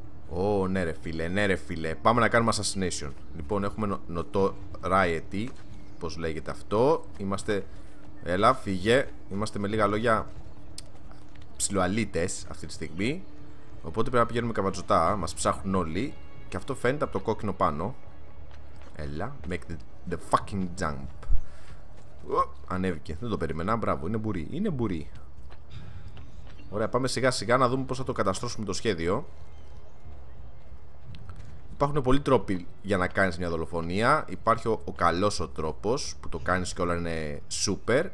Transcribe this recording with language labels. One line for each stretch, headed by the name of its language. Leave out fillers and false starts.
Greek: Ω, ναι ρε φίλε, ναι ρε φίλε. Πάμε να κάνουμε assassination. Λοιπόν, έχουμε notoriety. Πώς λέγεται αυτό. Είμαστε, έλα φύγε. Είμαστε με λίγα λόγια ψιλοαλίτες αυτή τη στιγμή. Οπότε πρέπει να πηγαίνουμε καβατζωτά. Μας ψάχνουν όλοι. Και αυτό φαίνεται από το κόκκινο πάνω.
English: Έλα, make the fucking jump.
Greek: Ανέβηκε, δεν το περίμενα, μπράβο, είναι μπουρί, είναι μπουρί. Ωραία, πάμε σιγά σιγά να δούμε πώς θα το καταστρώσουμε το σχέδιο. Υπάρχουν πολλοί τρόποι για να κάνεις μια δολοφονία. Υπάρχει ο καλός ο τρόπος που το κάνεις και όλα είναι super.